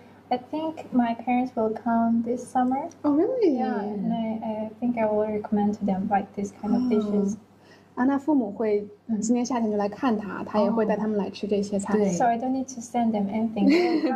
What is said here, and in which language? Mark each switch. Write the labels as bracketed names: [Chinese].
[English] I think my parents will come this summer. Oh, really? Yeah, and I think I will recommend to them like this kind of dishes. [Chinese] Anna's 父母会今年夏天就来看她，她也会带他们来吃这些菜。 [English] So I don't need to send them anything.